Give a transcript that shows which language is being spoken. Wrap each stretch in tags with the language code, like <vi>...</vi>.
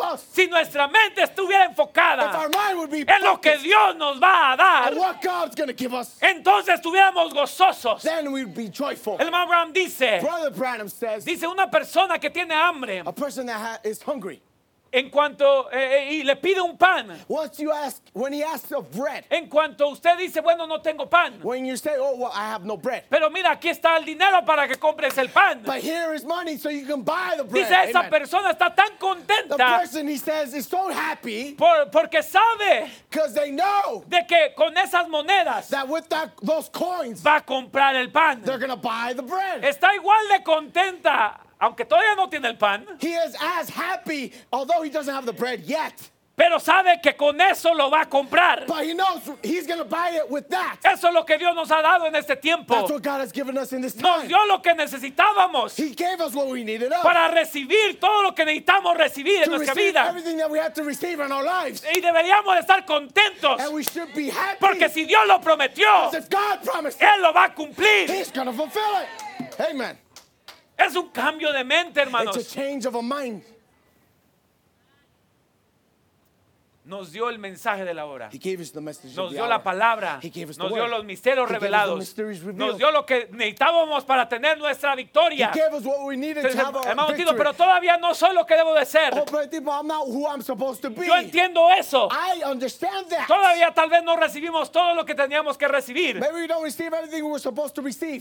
<es>Si nuestra mente estuviera enfocada en lo que Dios nos va a dar, entonces estuviéramos gozosos.</es> <en>Then we'd be joyful.</en> <es>El hermano Branham dice,</es> <en>Brother Branham says,</en> <es>dice una persona que tiene hambre,</es> <en>a person that is hungry,</en> <es>en cuanto y le pide un pan.</es> <en>Once you ask, when he asks of bread,</en> <es>en cuanto usted dice, bueno, no tengo pan.</es> <en>When you say, oh, well, I have no bread.</en> <es>Pero mira, aquí está el dinero para que compres el pan.</es> <en>But here is money so you can buy the bread.</en> <es>Dice,</es> <en>amen.</en> <es>Esa persona está tan contenta.</es> <en>The person, he says, is so happy.</en> <es>Porque sabe.</es> <en>Because they know.</en> <es>De que con esas monedas.</es> <en>That with those coins.</en> <es>Va a comprar el pan.</es> <en>They're gonna buy the bread.</en> <es>Está igual de contenta. Aunque todavía no tiene el pan.</es> <en>He is as happy, although he doesn't have the bread yet.</en> <es>Pero sabe que con eso lo va a comprar.</es> <en>But he knows he's going to buy it with that.</en> <es>Eso es lo que Dios nos ha dado en este tiempo.</es> <en>That's what God has given us in this time.</en> <es>Nos dio lo que necesitábamos.</es> <en>He gave us what we needed up.</en> <es>Para recibir todo lo que necesitamos recibir en nuestra vida.</es> <en>To receive everything that we have to receive in our lives.</en> <es>Y deberíamos estar contentos.</es> <en>And we should be happy.</en> <es>Porque si Dios lo prometió,</es> <en>because if God promised,</en> <es>Él lo va a cumplir.</es> <en>He's going to fulfill it. Amen.</en> <es>Es un cambio de mente, hermanos.</es> <en>It's a change of a mind.</en> <es>Nos dio el mensaje de la hora.</es> <en>He gave us the message.</en> <es>Nos dio la palabra.</es> <en>He gave us</en> <es>nos</es> <en>the</en> <es>dio</es> <en>word.</en> <es>Los misterios</es> <en>he</en> <es>revelados.</es> <en>Gave us the mysteries revealed.</en> <es>Nos dio lo que necesitábamos para tener nuestra victoria.</es> <en>He gave us what we needed to have our victory.</en> <es>Hermano Tito, pero todavía no soy lo que debo de ser.</es> <en>Oh, but I'm not who I'm supposed to be.</en> <es>Yo entiendo eso.</es> <en>I understand that.</en> <es>Todavía tal vez no recibimos todo lo que teníamos que recibir.</es> <en>Maybe we don't receive everything we're supposed to receive.</en>